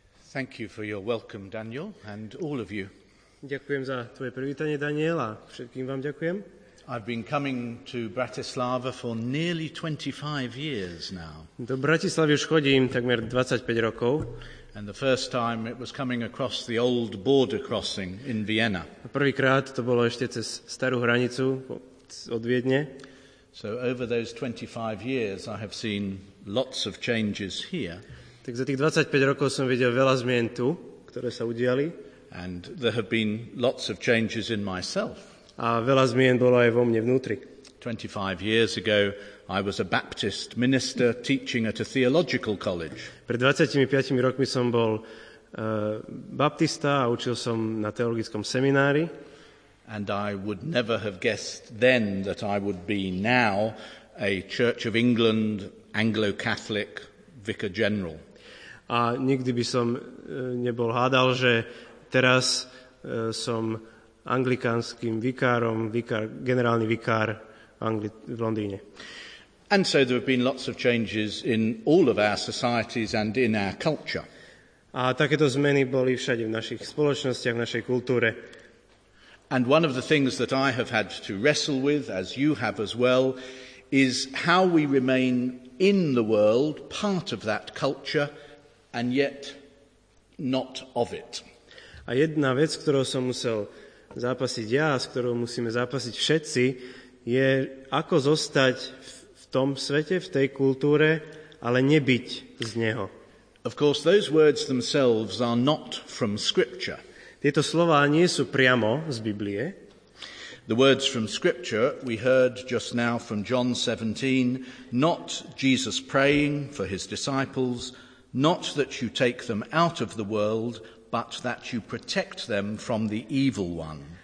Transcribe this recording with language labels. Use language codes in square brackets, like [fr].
[en] Thank you for your welcome, Daniel, and all of you. [sk] Ďakujem za tvoje privítanie, Daniel, a všetkým vám ďakujem. [en] I've been coming to Bratislava for nearly 25 years now. [sk] Do Bratislavy už chodím takmer 25 rokov. [en] And the first time it was coming across the old border crossing in Vienna. [sk] Prvýkrát to bolo ešte cez starú hranicu od Viedne. [en] So over those 25 years I have seen lots of changes here. [sk] Tak za tých 25 rokov som videl veľa zmien tu, ktoré sa udiali. [en] And there have been lots of changes in myself. [sk] A veľa zmien bolo aj vo mne vnútri. [en] 25 years ago I was a Baptist minister teaching at a theological college. [sk] Pred 25 rokmi som bol baptista a učil som na teologickom seminári. [en] And I would never have guessed then that I would be now a Church of England Anglo-Catholic vicar general. [sk] A nikdy by som nebol hádal, že teraz som anglikánskym vikárom, generálny vikár v Londýne. [en] And so there have been lots of changes in all of our societies and in our culture. [sk] A takéto zmeny boli všade v našich spoločnostiach, v našej kultúre. [en] And one of the things that I have had to wrestle with, as you have as well, is how we remain in the world, part of that culture, and yet not of it. [sk] A jedna vec, ktorou som musel zápasiť ja, s ktorou musíme zápasiť všetci, je ako zostať v tom svete, v tej kultúre, ale nebyť z neho. [en] Of course, those words themselves are not from scripture. [sk] Tieto slová nie sú priamo z Biblie. [en] The words from scripture we heard just now from John 17, not Jesus praying for his disciples, not that you take them out of the world, but that you protect them from the evil one.